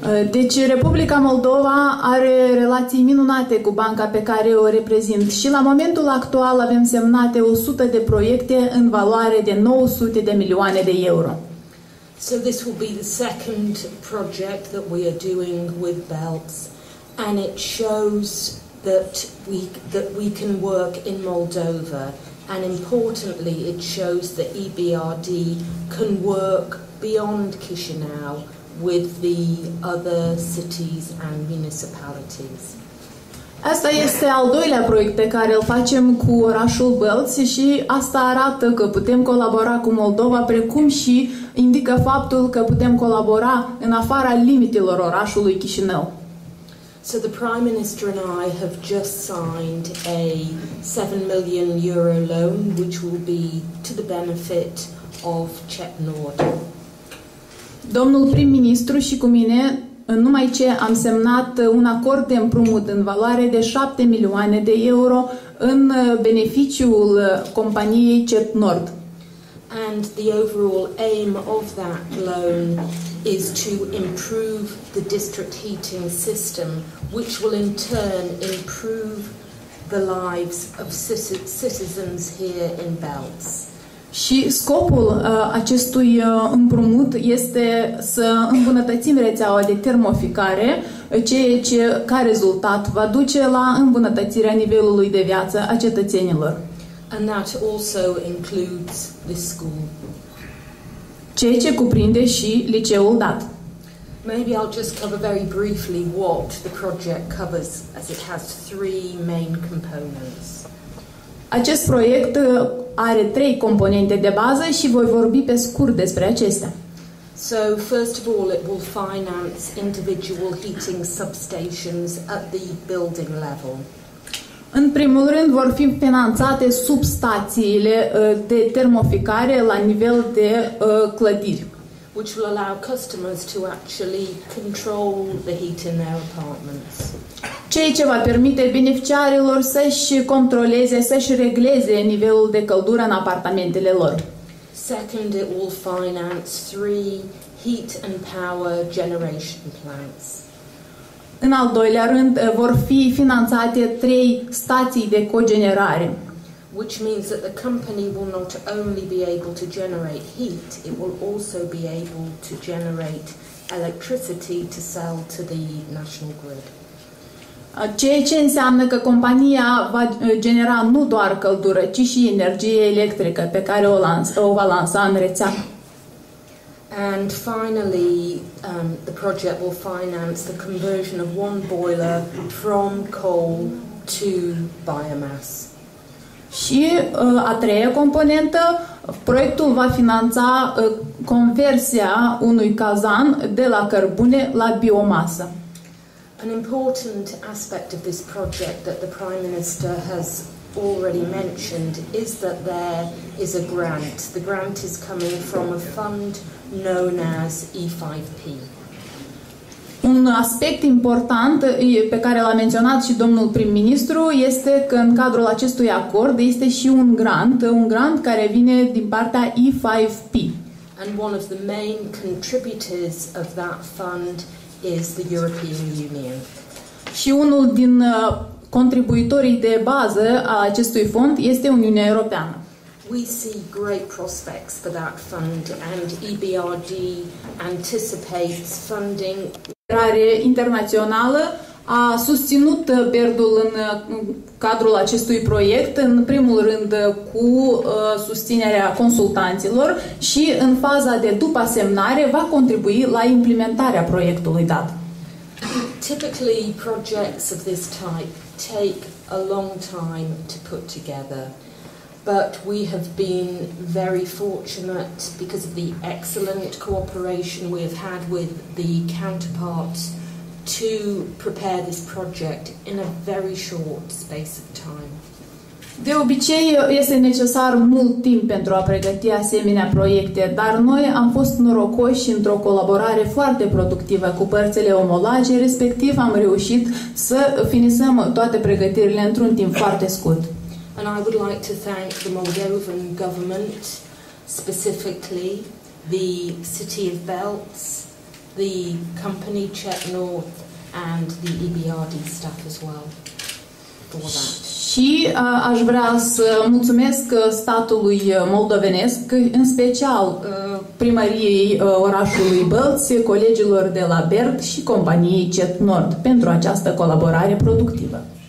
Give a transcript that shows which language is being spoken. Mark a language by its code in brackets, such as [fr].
[ro] Deci Republica Moldova are relații minunate cu banca pe care o reprezint și la momentul actual avem semnate 100 de proiecte în valoare de 900 de milioane de euro. [en] So this will be the second project that we are doing with Belts and it shows that we can work in Moldova and importantly it shows that EBRD can work beyond Chișinău with the other cities and municipalities. [ro] Asta este al doilea proiect pe care îl facem cu orașul Belts și asta arată că putem colabora cu Moldova precum și indică faptul că putem colabora în afara limitelor orașului Chișinău. [en] So the Prime Minister and I have just signed a 7 million euro loan which will be to the benefit of Czech Nord. [ro] Domnul prim-ministru și cu mine, numai ce am semnat un acord de împrumut în valoare de 7 milioane de euro în beneficiul companiei CET Nord. [en] And the overall aim of that loan is to improve the district heating system, which will in turn improve the lives of citizens here in Belts. [ro] Și scopul acestui împrumut este să îmbunătățim rețeaua de termoficare, ceea ce ca rezultat va duce la îmbunătățirea nivelului de viață a cetățenilor. [en] And that also includes this school. [ro] Ceea ce cuprinde și liceul dat. [en] Maybe I'll just cover very briefly what the project covers, as it has 3 main components. [ro] Acest proiect are 3 componente de bază și voi vorbi pe scurt despre acestea. [en] So, first of all, it will finance individual heating substations at the building level. [ro] În primul rând, vor fi finanțate substațiile de termoficare la nivel de clădiri, [en] which will allow customers to actually control the heat in their apartments. [ro] Ceea ce va permite beneficiarilor să-și controleze, să-și regleze nivelul de căldură în apartamentele lor. [en] Second, it will finance 3 heat and power generation plants. [ro] În al doilea rând, vor fi finanțate 3 stații de cogenerare. [en] Which means that the company will not only be able to generate heat, it will also be able to generate electricity to sell to the national grid. [ro] Ceea ce înseamnă că compania va genera nu doar căldură, ci și energie electrică pe care o va lansa în rețea. [en] And finally, the project will finance the conversion of 1 boiler from coal to biomass. [ro] Și a treia componentă, proiectul va finanța conversia unui cazan de la cărbune la biomasă. [en] An important aspect of this project that the Prime Minister has already mentioned is that there is a grant. The grant is coming from a fund known as E5P. [ro] Un aspect important pe care l-a menționat și domnul prim-ministru este că în cadrul acestui acord este și un grant care vine din partea E5P. [en] And one of the main contributors of that fund is the European Union. [ro] Și unul din contribuitorii de bază a acestui fond este Uniunea Europeană. [en] We see great prospects for that fund and EBRD anticipates funding. [ro] Cooperarea internațională a susținut Berdul în cadrul acestui proiect, în primul rând cu susținerea consultanților și în faza de după semnare va contribui la implementarea proiectului dat. [en] Typically, projects of this type take a long time to put together. But we have been very fortunate because of the excellent cooperation we have had with the counterparts to prepare this project in a very short space of time. [ro] De obicei, este necesar mult timp pentru a pregăti asemenea proiecte, dar noi am fost norocoși într-o colaborare foarte productivă cu părțile omologe, respectiv am reușit să finisăm toate pregătirile într-un timp foarte scurt. [en] And I would like to thank the Moldovan government, specifically the City of Belts, the company Czech North, and the EBRD staff as well for that. [ro] Și aș vrea să mulțumesc statului moldovenesc, în special primăriei orașului Belts, colegilor de la Berd și companiei Czech North pentru această colaborare productivă.